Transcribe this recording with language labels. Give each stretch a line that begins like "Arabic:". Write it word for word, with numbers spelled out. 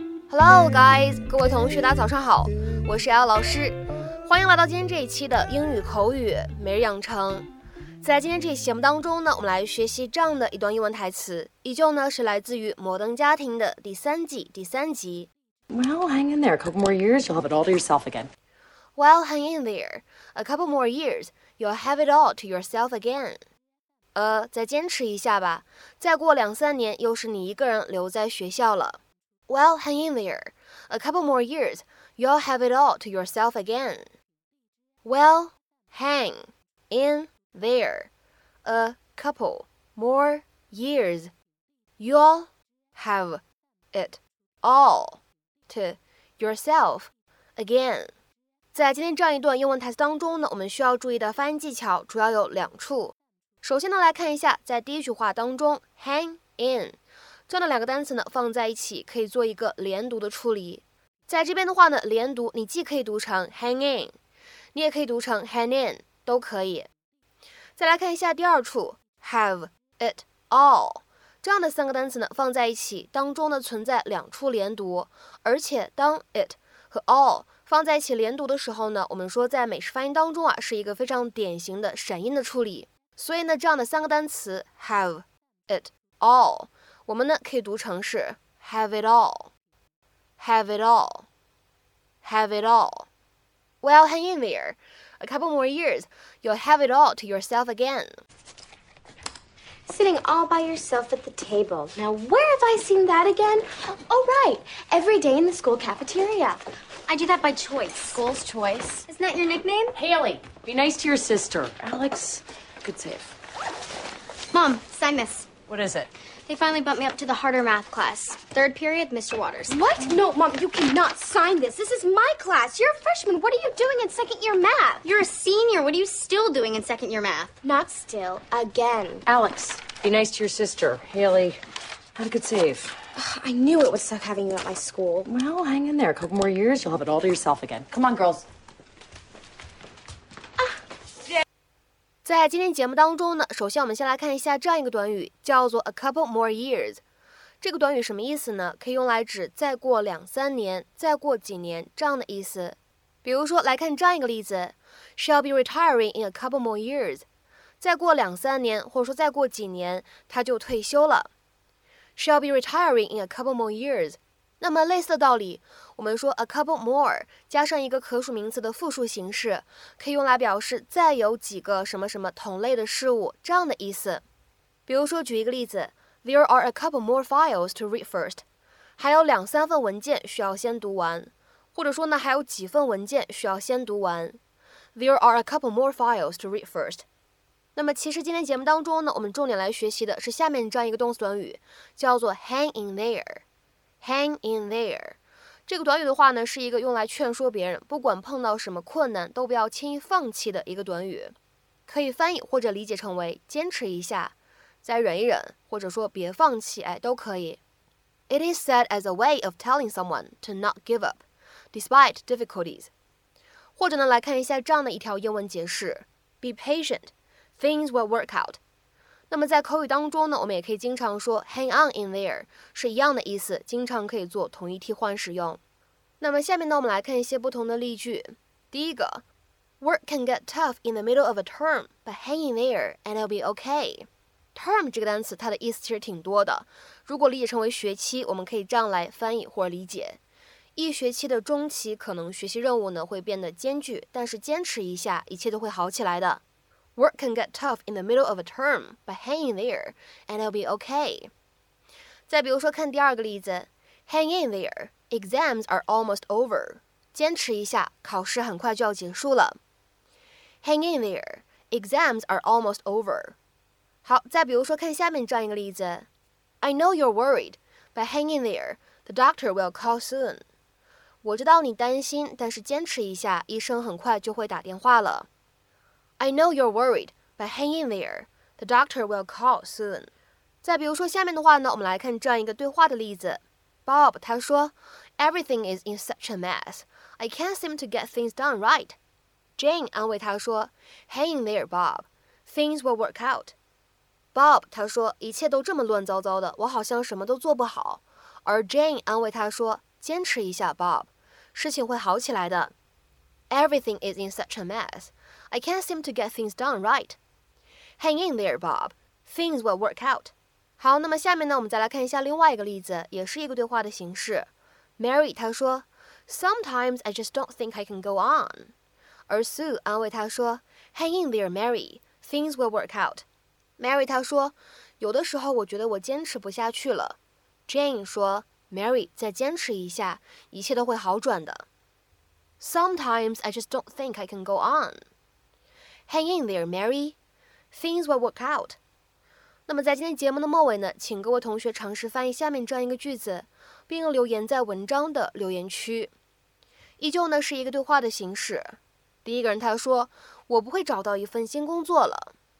English: Hello guys，
Chinese: 各位同学大家早上好，我是 L 老师，欢迎来到今天这一期的英语口语每日养成。在今天这期节目当中呢，我们来学习这样的一段英文台词，依旧呢是来自于《摩登家庭》的第三季第三集。
English: Well, hang in there, a couple more years, you'll have it all to yourself again. Well, hang in there, a couple more years, you'll have it all to yourself again.
Chinese: 呃，再坚持一下吧，再过两三年又是你一个人留在学校了。
English: Well, hang in there. A couple more years, you'll have it all to yourself again. Well, hang in there. A couple more years, you'll have it all to yourself again.
Chinese: 在今天这样一段英文台词当中呢，我们需要注意的发音技巧主要有两处。首先呢，来看一下在第一句话当中 hang in。这样的两个单词呢放在一起可以做一个连读的处理。在这边的话呢，连读你既可以读成 hang in， 你也可以读成 hang in， 都可以。再来看一下第二处 have it all， 这样的三个单词呢放在一起，当中呢存在两处连读，而且当 it 和 all 放在一起连读的时候呢，我们说在美式发音当中啊是一个非常典型的闪音的处理。所以呢，这样的三个单词
English: have it all，
Chinese: 我们呢可以读成是
English: have it all, have it all, have it all. Well, hang in there. A couple more years, you'll have it all to yourself again. Sitting all by yourself at the table. Now, where have I seen that again? Oh, right. Every day in the school cafeteria. I do that by choice. School's choice. Isn't that your nickname? Haley, be nice to your sister. Alex, good save. Mom, sign this. What is it? They finally bumped me up to the harder math class. Third period, Mister Waters. What? No, Mom, you cannot sign this. This is my class. You're a freshman. What are you doing in second year math? You're a senior. What are you still doing in second year math? Not still. Again. Alex, be nice to your sister. Haley, have a good save. Ugh, I knew it would suck having you at my school. Well, hang in there. A couple more years, you'll have it all to yourself again. Come on, girls.
Chinese: 在今天节目当中呢，首先我们先来看一下这样一个短语，叫做 a couple more years。这个短语什么意思呢？可以用来指再过两三年、再过几年这样的意思。比如说，来看这样一个例子
English: ：She'll be retiring in a couple more years。
Chinese: 再过两三年，或者说再过几年，她就退休了。
English: She'll be retiring in a couple more years。
Chinese: 那么类似的道理，我们说 a couple more 加上一个可数名词的复数形式，可以用来表示再有几个什么什么同类的事物这样的意思。比如说举一个例子 ，
English: There are a couple more files to read first，
Chinese: 还有两三份文件需要先读完，或者说呢还有几份文件需要先读完。
English: There are a couple more files to read first。
Chinese: 那么其实今天节目当中呢，我们重点来学习的是下面这样一个动词短语，叫做 hang in there。 Hang in there 这个短语的话呢，是一个用来劝说别人不管碰到什么困难都不要轻易放弃的一个短语，可以翻译或者理解成为坚持一下，再忍一忍，或者说别放弃，哎，都可以。
English: It is said as a way of telling someone to not give up despite difficulties。
Chinese: 或者呢，来看一下这样的一条英文解释
English: Be patient, things will work out。
Chinese: 那么在口语当中呢，我们也可以经常说 hang on in there， 是一样的意思，经常可以做同义替换使用。那么下面呢，我们来看一些不同的例句。
English: 第一个 ，Work can get tough in the middle of a term, but hang in there and it'll be okay。
Chinese: Term 这个单词它的意思其实挺多的，如果理解成为学期，我们可以这样来翻译或者理解：一学期的中期可能学习任务呢会变得艰巨，但是坚持一下，一切都会好起来的。
English: Work can get tough in the middle of a term, but hang in there, and it'll be okay.
Chinese: 再比如说看第二个例子
English: Hang in there, exams are almost over.
Chinese: 坚持一下，考试很快就要结束了。
English: Hang in there, exams are almost over.
Chinese: 好，再比如说看下面这样一个例子
English: I know you're worried, but hang in there, the doctor will call soon.
Chinese: 我知道你担心，但是坚持一下，医生很快就会打电话了。
English: I know you're worried, but hang in there. The doctor will call soon.
Chinese: 再比如说下面的话呢，我们来看这样一个对话的例子。
English: Bob
Chinese: 他说
English: Everything is in such a mess. I can't seem to get things done right. Jane
Chinese: 安慰他说
English: Hang in there, Bob. Things will work out.
Chinese: Bob 他说一切都这么乱糟糟的，我好像什么都做不好。而 Jane 安慰他说坚持一下 Bob， 事情会好起来的。
English: Everything is in such a mess. I can't seem to get things done right. Hang in there, Bob. Things will work out.
Chinese: 好，那么下面呢，我们再来看一下另外一个例子，也是一个对话的形式。
English: Mary
Chinese: 她说
English: ，Sometimes I just don't think I can go on.
Chinese: 而 Sue 安慰她说
English: ，Hang in there, Mary. Things will work out.
Chinese: Mary 她说，有的时候我觉得我坚持不下去了。 Jane 说 ，Mary 再坚持一下，一切都会好转的。
English: Sometimes I just don't think I can go on. Hang in there, Mary. Things will work out.
Chinese: 那么在今天节目的末尾呢，请各位同学尝试翻译下面这样一个句子，并留言在文章的留言区。依旧呢是一个对话的形式。第一个人他说，我不会找到一份新工作了。